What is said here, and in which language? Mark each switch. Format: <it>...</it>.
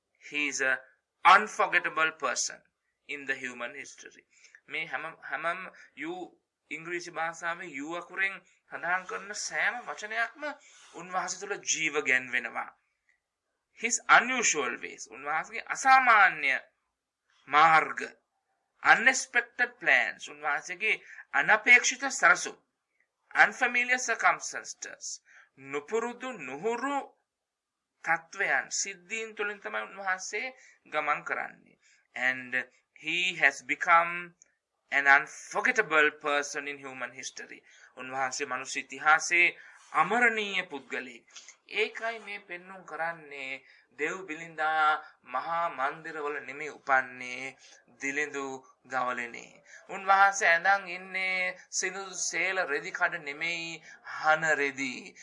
<en>He is a unforgettable person in the human history.</en> <si>මේ හැමම U ඉංග්‍රීසි භාෂාවෙන් U අකුරෙන් සඳහන් කරන සෑම වචනයක්ම උන්වහන්සේ තුළ ජීව ගැන්වෙනවා.</si> <en>His unusual ways.</en> <si>උන්වහන්සේගේ අසාමාන්‍ය මාර්ග.</si> <en>Unexpected plans.</en> <si>උන්වහන්සේගේ අනපේක්ෂිත සරසු.</si> <en>Unfamiliar circumstances.</en> <si>නුපුරුදු නුහුරු තත්වයන් සිද්ධීන් තුළින් තමයි උන්වහන්සේ ගමන් කරන්නේ.</si> <en>And he has become an unforgettable person in human history.</en> <si>උන්වහන්සේ මනුෂ්‍ය ඉතිහාසයේ අමරණීය පුද්ගලෙක්. ඒකයි මේ පෙන්නුම් කරන්නේ දෙව් බිලින්දා මහා මන්දිරවල නෙමෙයි උපන්නේ දිලිඳු ගවලෙනේ. උන්වහන්සේ ඇඳන් ඉන්නේ සිනුදු සේල රෙදි කඩ නෙමෙයි හන රෙදි.</si>